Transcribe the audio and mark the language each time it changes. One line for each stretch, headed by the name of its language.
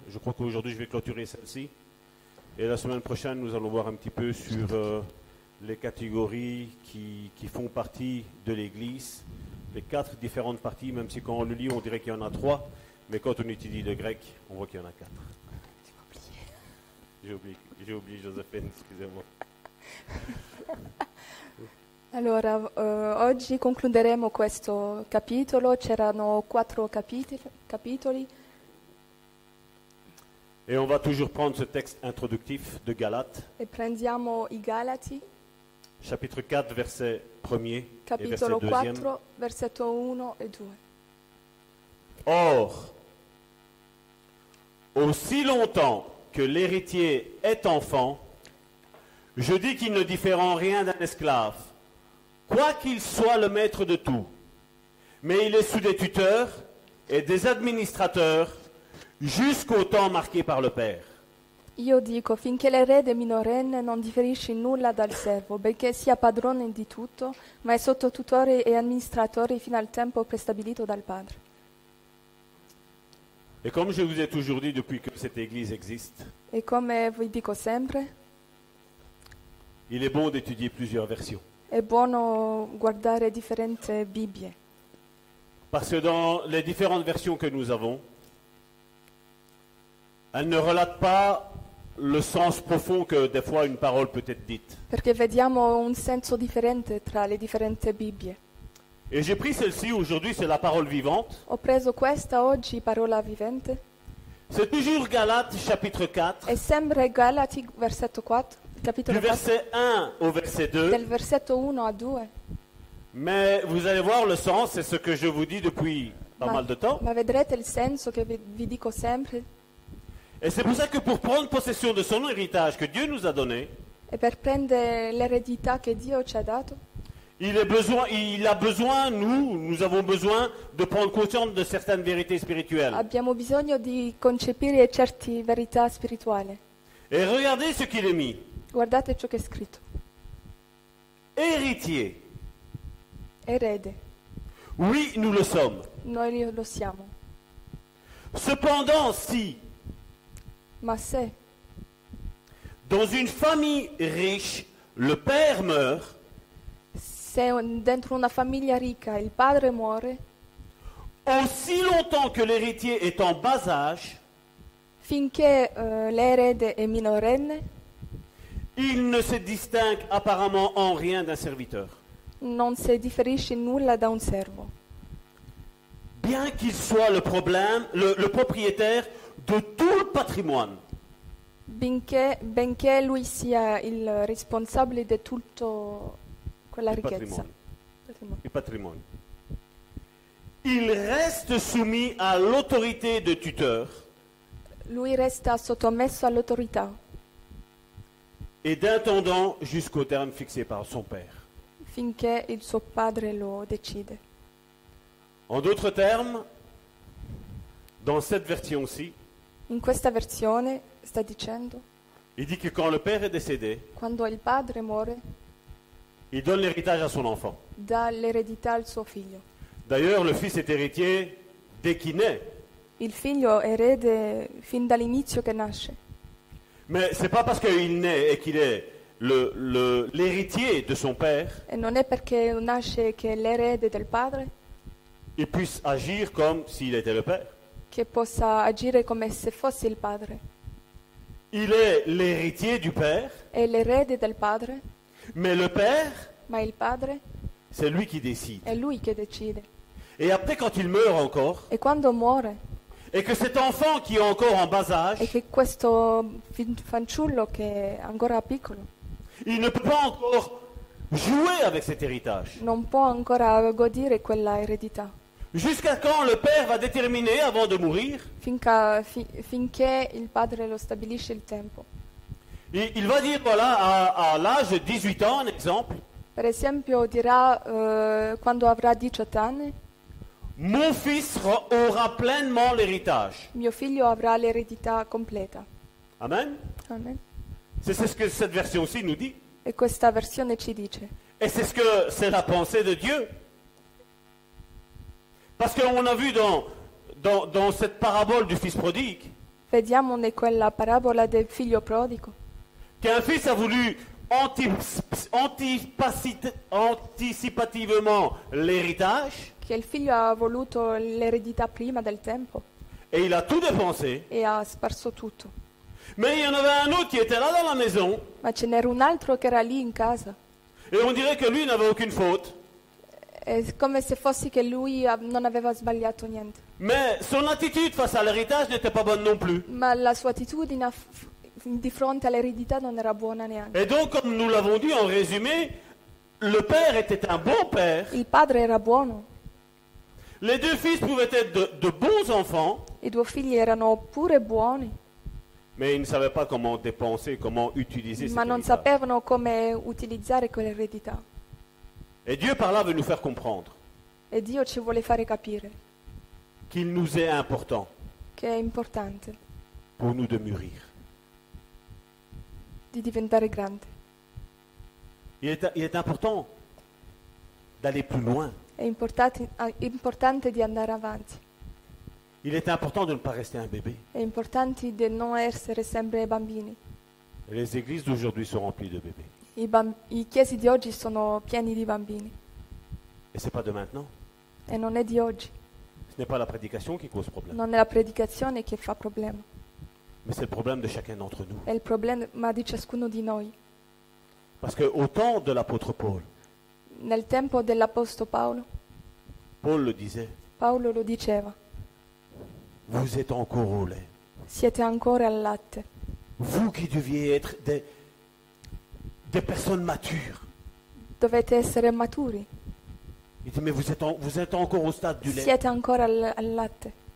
French: Je crois qu'aujourd'hui je vais clôturer celle-ci. Et la semaine prochaine, nous allons voir un petit peu sur les catégories qui font partie de l'Église. Les quatre différentes parties, même si quand on le lit, on dirait qu'il y en a trois. Mais quand on étudie le grec, on voit qu'il y en a quatre. J'ai oublié Josephine, excusez-moi.
Italian: Allora, oggi concluderemo questo capitolo. C'erano quattro capitoli.
French: Et on va toujours prendre ce texte introductif de Galates.
Italian: E prendiamo i Galati.
French: Chapitre 4, verset 1er.
Italian: Capitolo 4, versetto 1 e 2.
French: Or, aussi longtemps que l'héritier est enfant, je dis qu'il ne diffère en rien d'un esclave, quoi qu'il soit le maître de tout. Mais il est sous des tuteurs et des administrateurs jusqu'au temps marqué par le Père.
Italian: Io dico, finché l'erede minorenne non differisce nulla dal servo, benché sia padrone di tutto, ma è sotto tutore e amministratore fino al tempo prestabilito dal Padre.
French: Et comme je vous ai toujours dit depuis que cette église existe, et comme
Italian: vi dico sempre,
French: il est bon d'étudier plusieurs versions.
Italian: È buono guardare differenti Bibbie.
French: Parce que dans les différentes versions que nous avons, elles ne relatent pas le sens profond que des fois une parole peut être dite.
Italian: Perché vediamo un senso differente tra le differenti Bibbie.
French: Et j'ai pris celle-ci aujourd'hui, c'est la parole vivante.
Italian: Ho preso questa oggi, parola vivente.
French: C'est toujours Galates chapitre 4.
Italian: È sempre Galati versetto 4, capitolo
French: 4. Du verset 1 au verset 2.
Italian: Del versetto 1 a 2.
French: Mais vous allez voir le sens, c'est ce que je vous dis depuis pas mal de temps.
Italian: Ma vedrete il senso che vi dico sempre.
French: Et c'est pour ça que pour prendre possession de son héritage que Dieu nous a donné.
Italian: E per prendere l'eredità che Dio ci ha dato.
French: Il a besoin, nous avons besoin de prendre conscience de certaines vérités spirituelles.
Italian: Abbiamo bisogno di concepire certe verità spirituali.
French: Et regardez ce qu'il est mis.
Italian: Guardate ciò che è scritto.
French: Héritier.
Italian: Erede.
French: Oui, nous le sommes.
Italian: Noi lo siamo.
French: Cependant, si.
Italian: Ma se.
French: Dans une famille riche, le père meurt.
Italian: Se dentro una famiglia ricca il padre muore,
French: aussi longtemps que l'héritier est en bas âge,
Italian: finché l'erede è minorenne,
French: il ne se distingue apparemment en rien d'un serviteur.
Italian: Non si differisce nulla da un servo.
French: Bien qu'il soit le propriétaire de tout le patrimoine.
Italian: Benché lui sia il responsabile di tutto. Quella ricchezza. Il patrimonio.
French: Il reste soumis à l'autorité de tuteur.
Italian: Lui resta sottomesso all'autorità.
French: Et d'intendant jusqu'au terme fixé par son père.
Italian: Finché il suo padre lo decide.
French: En d'autres termes, dans cette version-ci.
Italian: In questa versione sta dicendo.
French: Il dit que quand le père est décédé.
Italian: Quando il padre muore.
French: Il donne l'héritage à son enfant.
Italian: Da l'eredità al suo figlio.
French: D'ailleurs, le fils est héritier dès qu'il naît.
Italian: Il figlio erede fin dall'inizio che nasce.
French: Mais c'est pas parce qu'il naît et qu'il est l'héritier de son père.
Italian: E non è perché nasce che è l'erede del padre.
French: Il puisse agir comme s'il était le père.
Italian: Che possa agire come se fosse il padre.
French: Il est l'héritier du père.
Italian: È l'erede del padre.
French: Mais le père,
Italian: mais il padre,
French: c'est lui qui décide.
Italian: È lui che decide.
French: Et après, quand il meurt encore,
Italian: e quando muore,
French: et que cet enfant qui est encore en bas âge,
Italian: e che questo fanciullo che è ancora piccolo,
French: il ne peut pas encore jouer avec cet héritage.
Italian: Non può ancora godere quella eredità.
French: Jusqu'à quand le père va déterminer avant de mourir?
Italian: Finché il padre lo stabilisce il tempo.
French: Et il va dire voilà à l'âge de 18 ans, un exemple.
Italian: Per esempio dirà quando avrà 18 anni.
French: Mon fils aura pleinement l'héritage.
Italian: Mio figlio avrà l'eredità completa.
French: Amen.
Italian: Amen.
French: C'est ce que cette version-ci nous dit.
Italian: E questa versione ci dice.
French: Et c'est ce que c'est la pensée de Dieu. Parce qu'on a vu dans cette parabole du fils prodigue.
Italian: Vediamo in quella parabola del figlio prodigo.
French: Qu'un fils a voulu anticipativement l'héritage.
Italian: Che il figlio ha voluto l'eredità prima del tempo.
French: Et il a tout dépensé.
Italian: E ha sparso tutto.
French: Mais il y en avait un autre qui était là dans la maison.
Italian: Ma ce n'era un altro che era lì in casa.
French: Et on dirait que lui n'avait aucune faute.
Italian: È come se fosse che lui non aveva sbagliato niente.
French: Mais son attitude face à l'héritage n'était pas bonne non plus.
Italian: Ma la sua attitudine di fronte all'eredità non era buona neanche.
French: Et donc, comme nous l'avons dit en résumé, le père était un bon père.
Italian: Il padre era buono.
French: Les deux fils pouvaient être de bons enfants.
Italian: I due figli erano pure buoni.
French: Mais ils ne savaient pas comment dépenser, comment utiliser cette
Italian: eredità. Ma non sapevano come utilizzare quell'eredità.
French: Et Dieu par là veut nous faire comprendre.
Italian: E Dio ci vuole fare capire.
French: Qu'il nous est important.
Italian: Che è importante.
French: Pour nous de mûrir.
Italian: Di diventare grande.
French: Il est important d'aller plus loin.
Italian: È importante di andare avanti.
French: Il est important de ne pas rester un bébé.
Italian: È importante di non essere sempre bambini.
French: Les églises d'aujourd'hui sont remplies de bébés.
Italian: I chiesi di oggi sono pieni di bambini.
French: Et c'est pas de maintenant.
Italian: E non è di oggi.
French: Ce n'est pas la prédication qui cause problème.
Italian: Non è la predicazione che fa problema.
French: Mais c'est le problème de chacun d'entre nous.
Italian: È il problema di ciascuno di noi.
French: Parce que au temps de l'apôtre Paul.
Italian: Nel tempo dell'apostolo Paolo.
French: Paul le disait.
Italian: Paolo lo diceva.
French: Vous êtes encore au lait.
Italian: Siete ancora al latte.
French: Vous qui deviez être des personnes matures.
Italian: Dovete essere maturi.
French: Il dit, mais vous êtes encore au stade du lait.
Italian: Siete ancora al latte.